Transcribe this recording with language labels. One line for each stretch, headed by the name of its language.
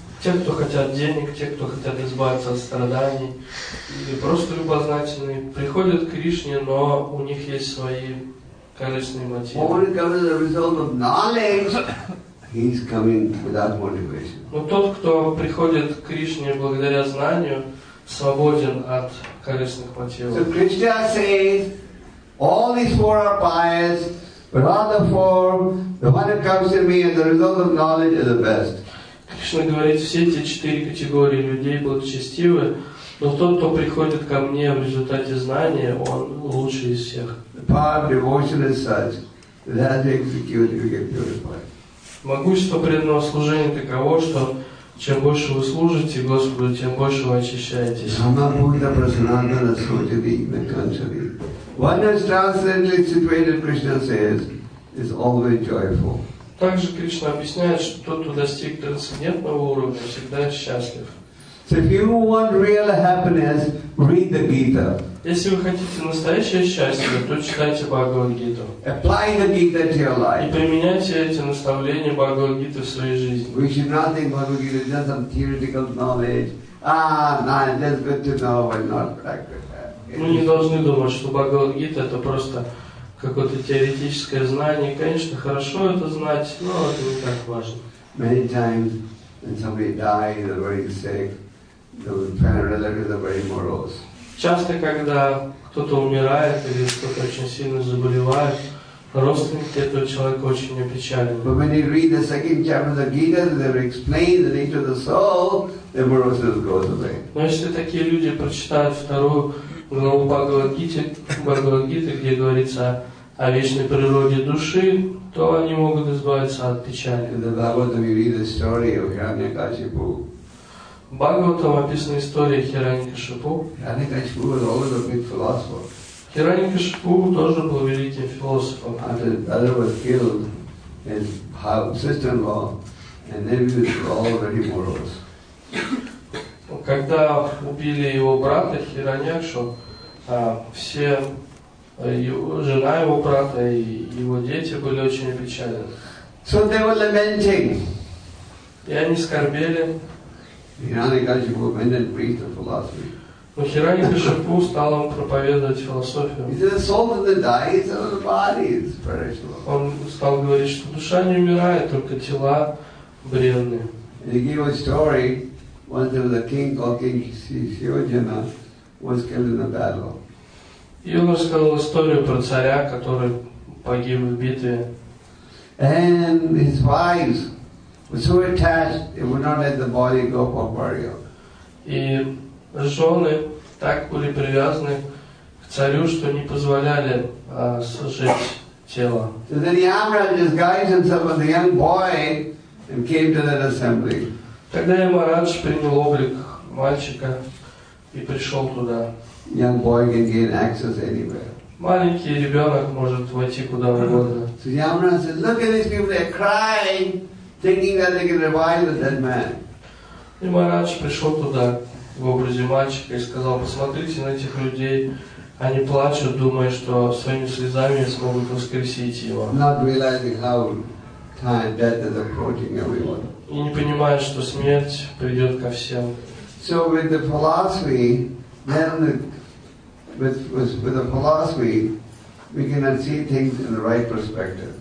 Russian: Те, кто хотят денег, те, кто хотят избавиться от страданий, и просто любознательные, приходят к Кришне, но у них есть свои корыстные мотивы.
English: Only come as a result of knowledge. He's coming without motivation.
Russian: Но тот, кто приходит к Кришне благодаря знанию, свободен от корыстных мотивов.
English: So Krishna says, all these four are pious, but out of the four, the one who comes to me as a result of knowledge is the best.
Russian: Кришна говорит, все эти четыре категории людей благочестивы, но тот, кто приходит ко мне в результате знания, он лучший из всех.
English: The power of devotion is such that as you execute, you get purified.
Russian: Могущество преданного служения таково, что чем больше вы служите Господу, тем больше вы очищаетесь.
Sanskrit: Амабхута прасананда насходжави наканчави.
English: One is transcendently situated, Krishna says, is always joyful.
Russian: Также Кришна объясняет, что тот, кто достиг трансцендентного уровня, всегда счастлив.
English: So if you want real happiness, read the Gita.
Russian: Если вы хотите настоящее счастье, то читайте Бхагавад-гиту.
English: Apply the Gita to your life.
Russian: И применяйте эти наставления Бхагавад-гиты в своей жизни.
English: We should not think Bhagavad-gita is just some theoretical knowledge. That's good to know, but not practice.
Russian: Мы не должны думать, что Бхагавад-гита это просто какое-то теоретическое знание. Конечно, хорошо это знать, но это не так важно.
English: Many times when somebody dies or very sick, the parent relatives are very morose.
Russian: Часто, когда кто-то умирает или кто-то очень сильно заболевает, родственники этого человека очень опечалены.
English: But when you read the second chapter of the Gita, they explain the nature of the soul, the moroseness goes away.
Russian: Но если такие люди прочитают вторую главу Бхагавад-гиты, где говорится о вечной природе души, то они могут избавиться от печали.
English: In the Bhagavatam, you read the story of Hiranyakashipu.
Russian: В Бхагаватам описана история Хираньякашипу.
English: Хираньякашипу was always a big philosopher.
Russian: Хираньякашипу тоже был великим философом.
English: After his brother was killed, his sister-in-law, and then he was all very morose.
Russian: Когда убили его брата Хираньякшу, все жена его брата и его дети были очень опечалены.
English: So they were lamenting.
Russian: И они скорбели.
English: Hiranyakashipu went and preached the philosophy.
Russian: Но Хираньякашипу стал он проповедовать философию.
English: He said, the soul doesn't die, it's only the body, it's perishable.
Russian: Он стал говорить, что душа не умирает, только тела бренные.
English: And he gave a story, once there was a king called King Shiyojana, was killed in a battle.
Russian: И он рассказал историю про царя, который погиб в битве.
English: And his wives, so attached, they would not let the body go for burial.
Russian: И жены так были привязаны к царю, что не позволяли сжечь тело.
English: So then Yamaraj disguised himself as a young boy and came to that assembly.
Russian: Тогда Ямарадж принял облик мальчика и пришел туда.
English: Young boy can gain access anywhere.
Russian: Маленький ребенок может войти куда угодно.
English: So Yamaraj said, look at these people, they're crying, thinking that they can revive the dead man.
Russian: И Махарадж пришел туда в образе мальчика и сказал, посмотрите на этих людей, они плачут, думая, что своими слезами смогут воскресить его.
English: Not realizing how time death is approaching everyone.
Russian: И не понимая, что смерть придет ко всем.
English: So with the philosophy, then with the philosophy, we can see things in the right perspective.